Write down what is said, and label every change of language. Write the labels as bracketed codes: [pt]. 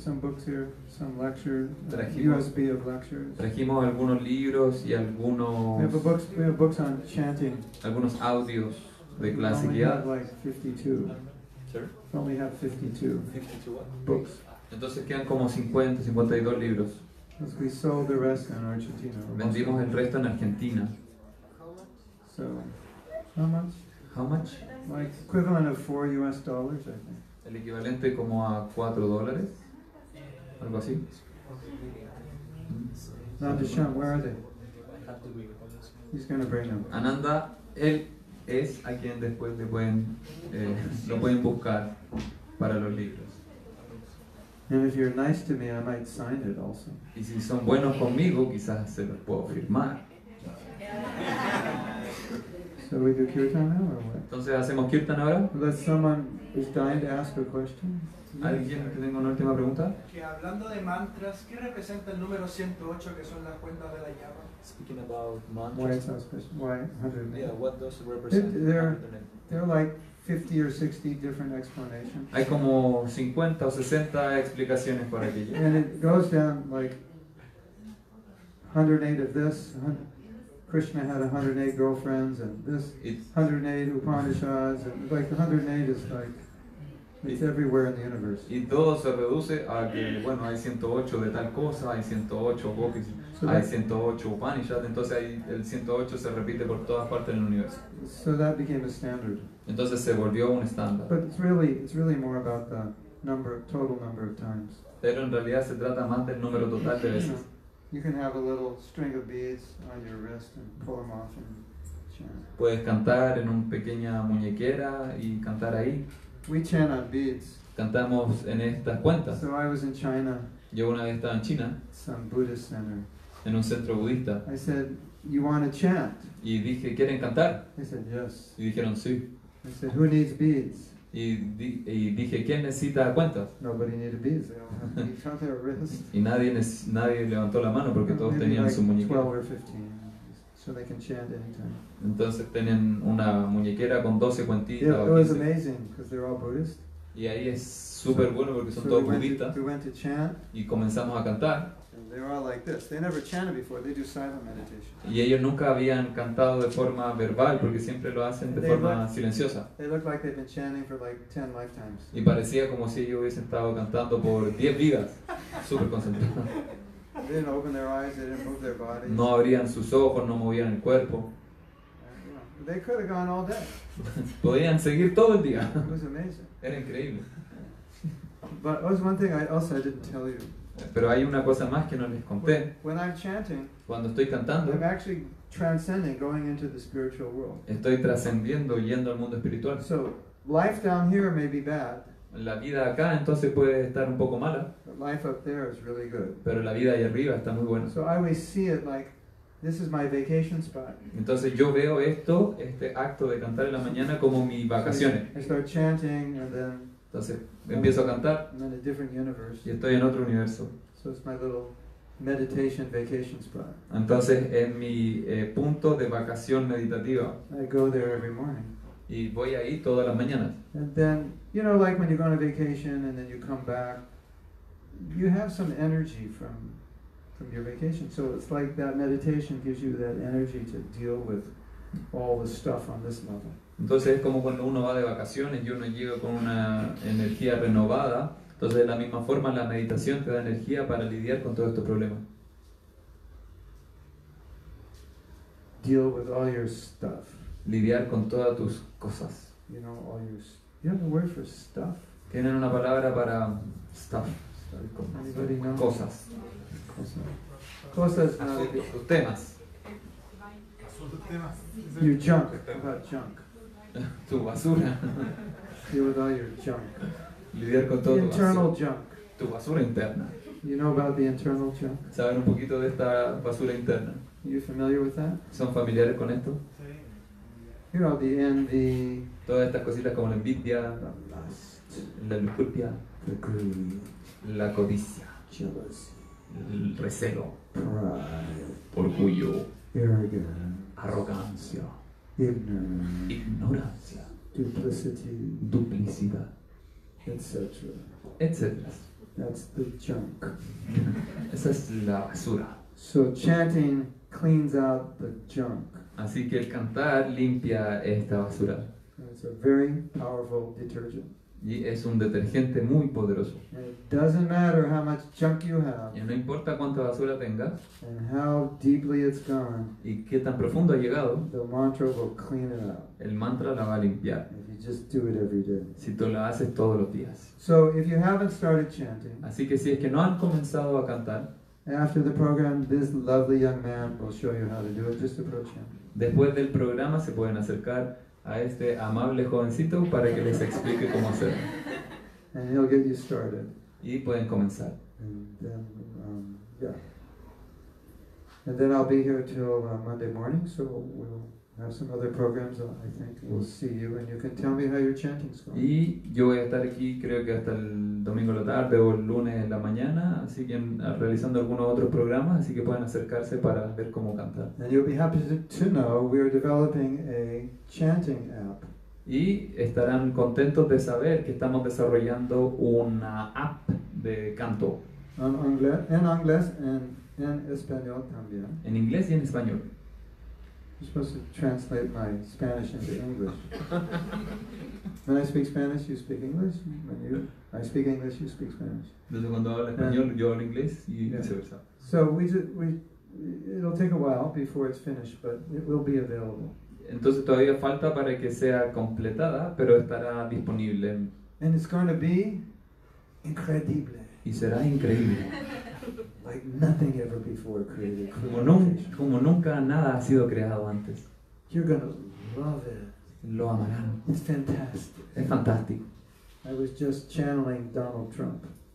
[en] Some books here, some lecture, USB of lectures. [es] Trajimos algunos libros y algunos. [en] We have books on chanting. [es] Algunos audios de clase guiada. [en] We only have like 52. Sir? We only have 52. 52 what? Books. [es] Entonces quedan como 50, 52 libros. [en] Because we sold the rest in Argentina. [es] Vendimos el resto en Argentina. [en] So, how much? How much? Like equivalent of $4, I think. [es] El equivalente como a $4, algo así. [en] Now, Dushan, where are they? He's going to bring them. [es] Ananda, él es a quien después le pueden, lo pueden buscar para los libros. [en] And if you're nice to me, I might sign it also. [es] Y si son buenos conmigo, quizás se los puedo firmar. [en] So we do kirtan now, or what? [es] Entonces hacemos kirtan ahora. [en] Unless someone is dying to ask a question. [es] ¿Alguien que tenga una última pregunta? Que hablando de mantras, ¿qué representa el número 108 que son las cuentas de la llama? [en] Speaking about mantras. Why it's so special? Why 108? Yeah, what does it represent? They're like 50 or 60 different explanations. [es] Hay como 50 o 60 explicaciones para aquello. [en] And it goes down like 108 of this. Krishna had 108 girlfriends, and this 108 Upanishads, and like 108 is like, it's everywhere in the universe. [es] Y todo se reduce a que, bueno, hay 108 de tal cosa, hay 108 Gopis, hay 108 Upanishads, entonces hay, el 108 se repite por todas partes del universo. [en] So that became a standard. [es] Entonces se volvió un estándar. [en] But it's really more about the number, total number of times. [es] Pero en realidad se trata más del número total de veces. [en] You can have a little string of beads on your wrist and pull them off and chant. [es] Puedes cantar en una pequeña muñequera y cantar ahí. [en] We chant on beads. [es] Cantamos en estas cuentas. [en] So I was in China. [es] Yo una vez estaba en China. [en] Some Buddhist center. [es] En un centro budista. [en] I said, "You want to chant?" [es] Y dije, "¿Quieren cantar?" [en] They said, "Yes." [es] Y dijeron, "Sí." [en] I said, "Who needs beads?" [es] Y dije, ¿quién necesita cuentas? [en] Nobody needed beads. They all had their wrists. [es] Y nadie levantó la mano porque todos [en] maybe [es] tenían [en] like [es] su muñequera. [en] 12 or 15, so they can chant anytime. [es] Entonces tenían una muñequera con 12 cuentitas. [en] Yeah, it was amazing because they're all Buddhist. [es] Y ahí es súper bueno porque son [en] so [es] todos [en] we [es] budistas. [en] We went to chant. [es] Y comenzamos a cantar. [en] And they're all like this. They never chanted before. They do silent meditation. [es] Y ellos nunca habían cantado de forma verbal porque siempre lo hacen de forma silenciosa. [en] They look like they've been chanting for like 10 lifetimes. [es] Y parecía como si ellos hubiesen estado cantando por 10 vidas, super concentrados. [en] They didn't open their eyes. They didn't move their bodies. [es] No abrían sus ojos. No movían el cuerpo. [en] They could have gone all day. [es] Podían seguir todo el día. [en] It was amazing. [es] Era increíble. [en] But there was one thing I didn't tell you. [es] Pero hay una cosa más que no les conté. [en] When I'm chanting, [es] cuando estoy cantando, [en] I'm actually transcending, going into the spiritual world. [es] Estoy trascendiendo, yendo al mundo espiritual. [en] So, life down here may be bad, [es] la vida acá entonces puede estar un poco mala, [en] but life up there is really good. [es] Pero la vida ahí arriba está muy buena. [en] So I always see it like, this is my vacation spot. [es] Entonces yo veo esto, este acto de cantar en la mañana como mis vacaciones. [en] So I start chanting and then [es] entonces empiezo a cantar [en] in a different universe. [es] Y estoy en otro universo. [en] So it's my little meditation vacation spot. [es] Entonces es mi punto de vacación meditativa. [en] I go there every morning. [es] Y voy ahí todas las mañanas. [en] And then, you know, like when you go on a vacation and then you come back, you have some energy from your vacation. So it's like that meditation gives you that energy to deal with all the stuff on this level. [es] Entonces es como cuando uno va de vacaciones y uno llega con una energía renovada. Entonces de la misma forma la meditación te da energía para lidiar con todos estos problemas. [en] Deal with all your stuff. [es] Lidiar con todas tus cosas. [en] You know, all your you have a word for stuff. [es] Tienen una palabra para stuff. [en] Anybody know? [es] Cosas. Cosas. Asuntos, temas. [en] Your junk. About junk. [es] Tu basura. [en] Deal with all your junk. [es] Lidiar con todo [en] the internal junk. [es] Tu basura interna. [en] You know about the internal junk? [es] ¿Saben un poquito de esta basura interna? [en] Are you familiar with that? [es] ¿Son familiares con esto? [en] Sí. You know, the envy. [es] Todas estas cositas como la envidia. [en] The lust. [es] La lujuria. [en] The greed. [es] La codicia. [en] Jealousy. [es] El recelo. [en] Pride. [es] Orgullo. [en] Arrogance. [es] Arrogancia. Ignorancia. duplicity, duplicidad, etc. etc. [en] That's the junk. [es] Esa es la basura. [en] So chanting cleans out the junk. [es] Así que el cantar limpia esta basura. [en] It's a very powerful detergent. [es] Y es un detergente muy poderoso. [en] It doesn't matter how much junk you have. [es] Y no importa cuánta basura tengas. [en] And how deeply it's gone. [es] Y qué tan profundo ha llegado. [en] The mantra will clean it out. [es] El mantra la va a limpiar. [en] If you just do it every day. [es] Si tú lo haces todos los días. [en] So if you haven't started chanting. [es] Así que si es que no han comenzado a cantar. [en] After the program, this lovely young man will show you how to do it. Just approach him. [es] Después del programa se pueden acercar a este amable jovencito para que les explique cómo hacerlo. [en] And he'll get you started. [es] Y pueden comenzar. [en] And then, yeah. And then I'll be here till Monday morning, so we'll have some other programs. I think we'll see you, and you can tell me how your chanting's going. [es] Y yo voy a estar aquí, creo que hasta el domingo la tarde o el lunes en la mañana, así que realizando algunos otros programas, así que pueden acercarse para ver cómo cantar. [en] And you'll be happy to know we are developing a chanting app. [es] Y estarán contentos de saber que estamos desarrollando una app de canto. En inglés and en español también. En inglés y en español. [en] You're supposed to translate my Spanish into English. When I speak Spanish, you speak English. When you, I speak English, you speak Spanish. [es] Entonces cuando hablo español, yo hablo inglés y viceversa. [en] So it'll take a while before it's finished, but it will be available. [es] Entonces todavía falta para que sea completada, pero estará disponible. [en] And it's going to be incredible. [es] Y será increíble. [en] Like nothing ever before created. [es] Como nunca nada ha sido creado antes. [en] You're gonna love it. [es] Lo amarán. [en] It's fantastic. [es] Es fantástico. [en] I was just channeling Donald Trump.